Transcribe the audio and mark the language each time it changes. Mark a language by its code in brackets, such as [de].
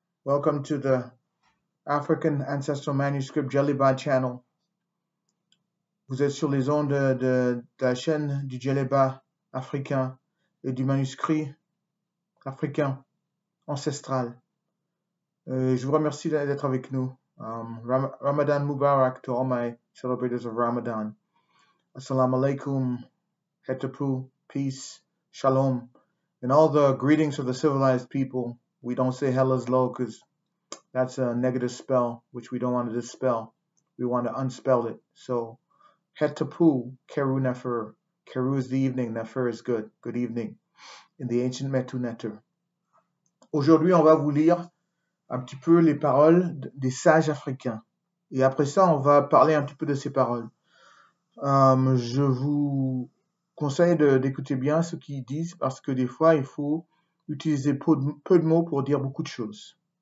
[en] Welcome to the African Ancestral Manuscript Djeliba channel. [fr] Vous êtes sur les ondes de la chaîne du Djeliba africain et du manuscrit africain ancestral. Je vous remercie d'être avec nous. [en] Ramadan Mubarak to all my celebrators of Ramadan. Assalamu alaikum, hetapu. Peace, shalom, and all the greetings of the civilized people. We don't say hella's low because that's a negative spell, which we don't want to dispel. We want to unspell it. So, hetapu, keru nefer. Keru is the evening, nefer is good. Good evening. In the ancient metu neter. [fr] Aujourd'hui, on va vous lire un petit peu les paroles des sages africains. Et après ça, on va parler un petit peu de ces paroles. Je vous conseille d'écouter bien ce qu'ils disent parce que des fois il faut utiliser peu de mots pour dire beaucoup de choses.